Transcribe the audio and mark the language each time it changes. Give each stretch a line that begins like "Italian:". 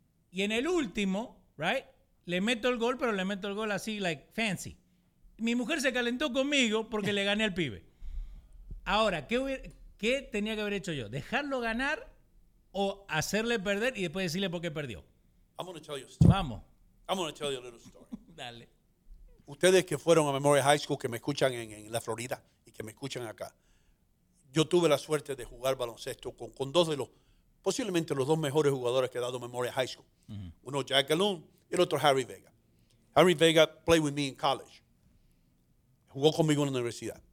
Spanish: Y en el último, right, le meto el gol, pero le meto el gol así, like, fancy. Mi mujer se calentó conmigo porque le gané al pibe. Ahora, ¿qué tenía que haber hecho yo? ¿Dejarlo ganar o hacerle perder y después decirle por qué perdió?
English: I'm going to tell you a little story.
Spanish: Dale. Ustedes que fueron a Memorial High School, que me escuchan en la Florida y que me escuchan acá, yo tuve la suerte de jugar baloncesto con dos de los, posiblemente los dos mejores jugadores que ha dado Memorial High School. Uh-huh. Uno Jack Galoon y el otro Harry Vega.
English: Harry Vega played with me in college.
Spanish: Jugó conmigo en la universidad.